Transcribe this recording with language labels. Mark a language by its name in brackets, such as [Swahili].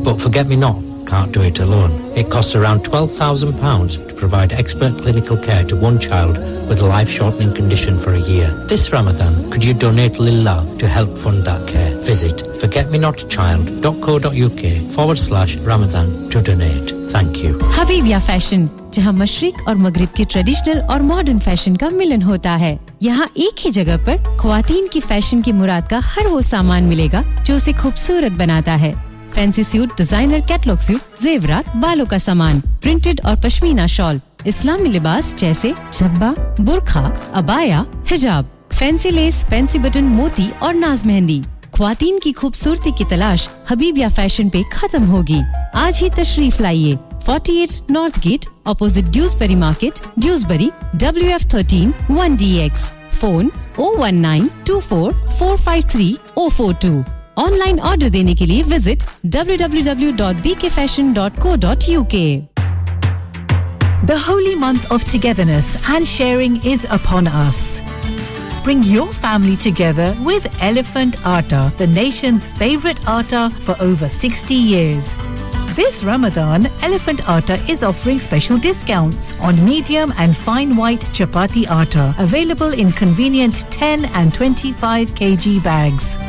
[English] But Forget Me Not can't do it alone. It costs around £12,000 to provide expert clinical care to one child with a life-shortening condition for a year. This Ramadan, could you donate Lilla to help fund that care? Visit forgetmenotchild.co.uk/Ramadan to donate. Thank you. [Hindi] Habibia Fashion, जहां मशरिक और मगरिब के traditional और modern fashion का मिलन होता है यहां एक ही जगह पर ख्वातीन की फैशन की मुराद का हर वो सामान मिलेगा जो उसे खूबसूरत बनाता है fancy suit designer catalogue suit जेवरात बालों का सामान प्रिंटेड और पश्मीना शॉल इस्लामी लिबास जैसे जब्बा बुर्का अबाया हिजाब फैंसी लेस फैंसी बटन मोती और नाज मेहंदी ख्वातीन की खूबसूरती की तलाश हबीबिया फैशन पे खत्म होगी आज ही तशरीफ लाइए 48 north gate opposite Dewsbury market Dewsbury WF13 1DX phone 01924453042 online order देने के लिए visit www.bkfashion.co.uk [English] The holy month of togetherness and sharing is upon us. Bring your family together with Elephant Atta, the nation's favorite atta for over 60 years. This Ramadan, Elephant Atta is offering special discounts on medium and fine white chapati atta, available in convenient 10 and 25 kg bags.